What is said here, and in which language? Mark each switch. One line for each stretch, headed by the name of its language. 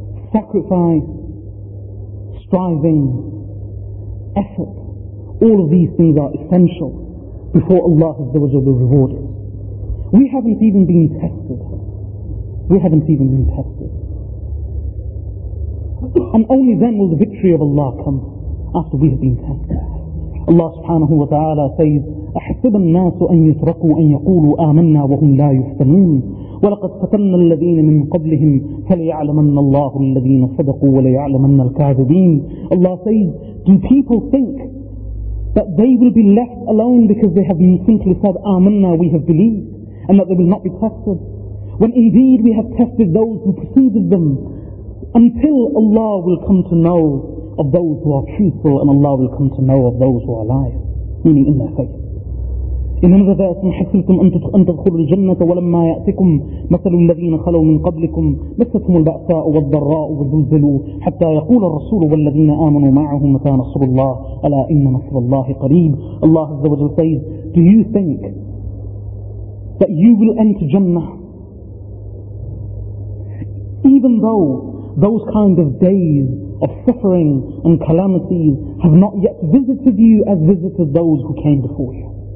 English: Sacrifice, striving, effort, all of these things are essential before Allah will reward us. We haven't even been tested. We haven't even been tested. And only then will the victory of Allah come, after we have been tested. Allah subhanahu wa ta'ala says,
Arabic: أَحْسِبَ النَّاسُ أَن يُتْرَكُوا أَن يَقُولُوا آمَنَّا وَهُمْ لَا يُفْتَنُونَ. وَلَقَدْ فَتَنَّ الَّذِينَ مِنْ قَبْلِهِمْ فَلْيَعْلَمَنَّ اللَّهُ الَّذِينَ صَدَقُوا وَلَيَعْلَمَنَّ الْكَاذِبِينَ.
English: Allah says, do people think that they will be left alone because they have been simply said, آمَنَّا, we have believed, and that they will not be tested, when indeed we have tested those who preceded them, until Allah will come to know of those who are truthful, and Allah will come to know of those who are liars, meaning in their faith. In another verse,
Arabic: حَسِبْتُمْ أَن تَدْخُلُوا الْجَنَّةَ وَلَمَّا يَأْتِكُمْ مَثَلُ الَّذِينَ خَلَوْا مِنْ قَبْلِكُمْ مَسَّتْهُمُ الْبَأْسَاءُ وَالضَّرَّاءُ وَزُلْزِلُوا حَتَّى يَقُولَ الرَّسُولُ وَالَّذِينَ آمَنُوا مَعَهُ مَتَى نَصْرُ اللَّهِ أَلَا إِنَّ نَصْرَ اللَّهِ قَرِيبٌ.
English: Allah Azza wa Jalla says, do you think that you will enter Jannah even though those kind of days of suffering and calamities have not yet visited you as visited those who came before you?